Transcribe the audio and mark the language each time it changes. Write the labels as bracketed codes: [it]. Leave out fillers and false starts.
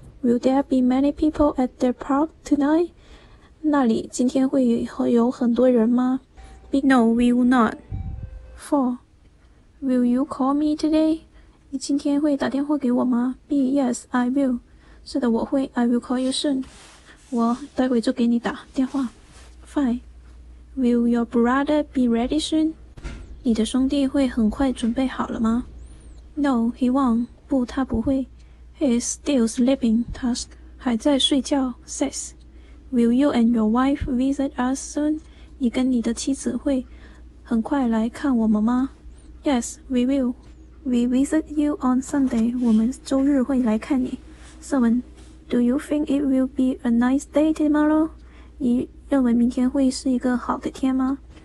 [en] Will there be many people at the park tonight? [zh] 那里今天会有很多人吗？ [en] No, we will not. 4. Will you call me today? [zh] 你今天会打电话给我吗？ [en] B. Yes, I will. [zh] 是的，我会。 [en] I will call you soon. [zh] 我待会就给你打电话。 [en] 5. Will your brother be ready soon? [zh] 你的兄弟会很快准备好了吗？ [en] No, he won't. [zh] 不，他不会。 [en] He is still sleeping. [zh] 他还在睡觉。 [en] 6. Will you and your wife visit us soon? [zh] 你跟你的妻子会很快来看我们吗？ [en] Yes, we will. We visit you on Sunday. [zh] 我们周日会来看你。 [en] 7. Do you think it will be a nice day tomorrow? [zh] 你认为明天会是一个好的天吗？